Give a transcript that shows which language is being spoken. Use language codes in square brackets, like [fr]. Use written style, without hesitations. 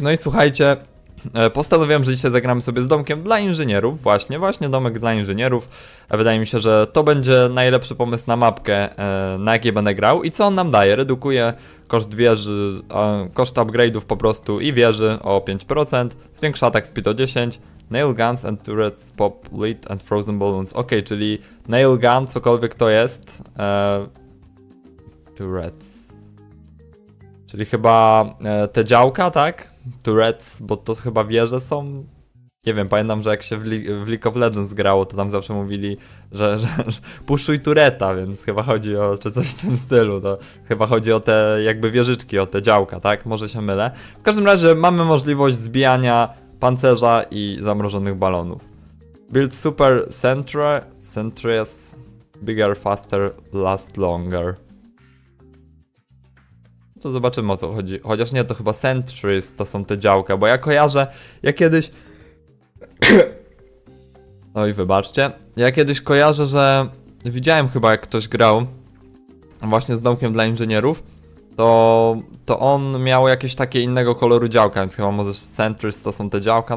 [pl] No i słuchajcie, postanowiłem, że dzisiaj zagramy sobie z domkiem dla inżynierów. Właśnie domek dla inżynierów. Wydaje mi się, że to będzie najlepszy pomysł na mapkę, na jakiej będę grał. I co on nam daje? Redukuje koszt wieży, koszt upgrade'ów po prostu i wieży o 5%. Zwiększa attack speed o 10%. [en] Nail guns and turrets pop lead and frozen balloons. [pl] Okej, czyli nail gun, cokolwiek to jest. Turrets. Czyli chyba te działka, tak? Turrets, bo to chyba wieże są. Nie wiem, pamiętam, że jak się w League of Legends grało, to tam zawsze mówili, że puszuj tureta, więc chyba chodzi o czy coś w tym stylu. To chyba chodzi o te jakby wieżyczki, o te działka, tak? Może się mylę. W każdym razie mamy możliwość zbijania pancerza i zamrożonych balonów. [en] Build super sentry, sentries, bigger, faster, last longer. [pl] To zobaczymy, o co chodzi. Chociaż nie, to chyba sentries to są te działka, bo ja kojarzę, ja kiedyś... Oj, wybaczcie. Ja kiedyś kojarzę, że widziałem chyba, jak ktoś grał właśnie z domkiem dla inżynierów, to on miał jakieś takie innego koloru działka, więc chyba może sentries to są te działka.